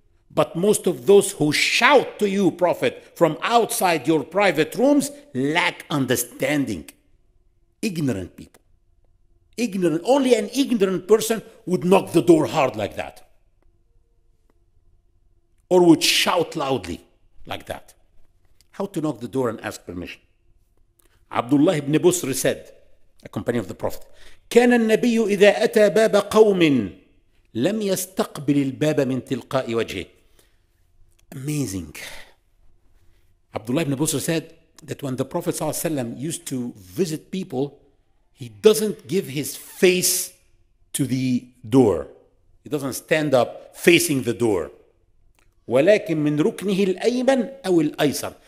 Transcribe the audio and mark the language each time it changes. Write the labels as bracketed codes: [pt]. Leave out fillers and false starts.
[en] But most of those who shout to you, Prophet, from outside your private rooms, lack understanding. Ignorant people. Ignorant. Only an ignorant person would knock the door hard like that. Or would shout loudly like that. How to knock the door and ask permission? Abdullah ibn Busri said, a companion of the Prophet, [ar] كان النبي إذا أتى باب قوم لم يستقبل الباب من تلقاء وجهه. [en] Amazing. Abdullah ibn Busri said that when the Prophet ﷺ used to visit people, he doesn't give his face to the door. He doesn't stand up facing the door. [ar] وَلَكِن مِّن رُكْنِهِ الْأَيْمَنِ أَوِ الْأَيْسَرِ.